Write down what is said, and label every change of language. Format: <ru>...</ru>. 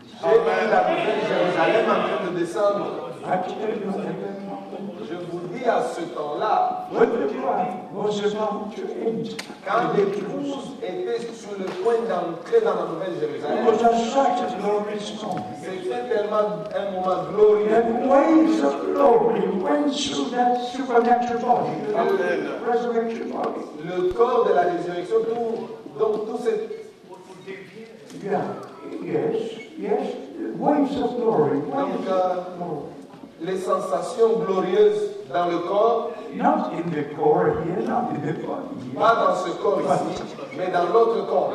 <fr>J'ai vu la nouvelle Jérusalem en train de descendre.</fr> <en>I tell you that.</en> <fr>Je vous dis à ce temps-là.</fr> <en>When the bride was about to enter.</en> <fr>Quand l'épouse était sur le point d'entrer dans la nouvelle Jérusalem.</fr> <en>It was such a glorious moment.</en> <fr>C'était tellement un moment glorieux.</fr> <en>The waves of glory went through that supernatural body. The resurrection body.</en> <fr>Le corps de la résurrection, tout ce...</fr> <en>Yeah. Yes, yes. Waves of glory. Waves of glory.</en> <fr>Les sensations glorieuses dans le corps.</fr> <en>Not in the core here, not in the body.</en> <fr>Pas dans ce corps ici, mais dans l'autre corps.</fr>